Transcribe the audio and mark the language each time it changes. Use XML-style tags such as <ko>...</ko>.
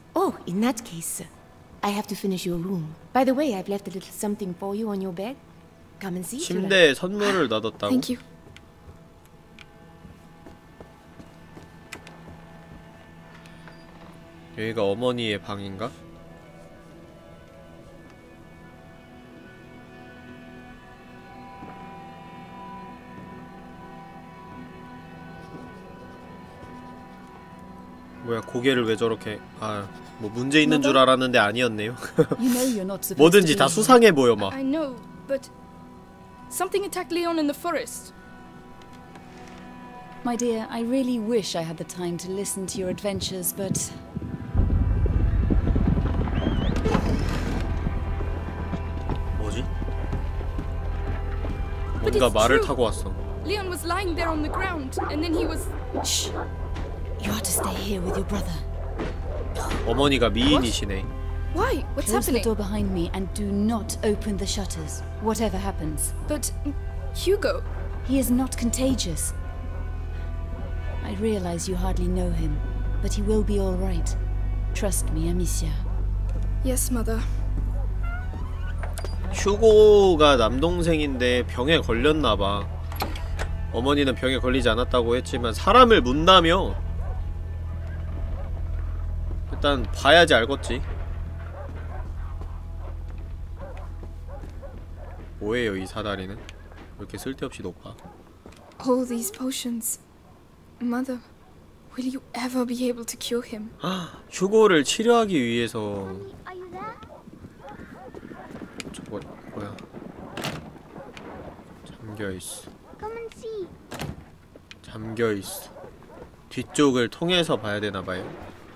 <en>Oh, in that case, I have to finish your room. By the way, I've left a little something for you on your bed. Come and see.</en> <ko>침대에 선물을 놔뒀다고.</ko> <en>Thank you.</en> <ko>여기가 어머니의 방인가? 뭐야 고개를 왜 저렇게 아 뭐 문제 있는 줄 알았는데 아니었네요. 뭐든지 다 수상해 보여 막.</ko> <en>I know, but something attacked Leon in the forest. My dear, I really wish I had the time to listen to your adventures, but.</en> <ko>뭐지? 뭔가 말을 타고 왔어.</ko> <en>Leon was lying there on the ground, and then he was. You are to stay here with your brother.</en> <ko>어머니가 미인이시네.</ko> <en>Why? What's happening? Close the door behind me and do not open the shutters. Whatever happens. But Hugo, he is not contagious. I realize you hardly know him, but he will be all right. Trust me, Amicia. Yes, mother.</en> <ko>휴고가 남동생인데 병에 걸렸나 봐. 어머니는 병에 걸리지 않았다고 했지만 사람을 묻나며. 일단 봐야지 알겠지. 뭐예요 이 사다리는? 왜 이렇게 쓸데없이 높아?</ko> <en>All these potions, mother, will you ever be able to cure him?</en> <ko>휴고를 치료하기 위해서. 저 뭐야? 잠겨 있어.</ko> <en>Come and see.</en> <ko>잠겨 있어. 뒤쪽을 통해서 봐야 되나 봐요.</ko>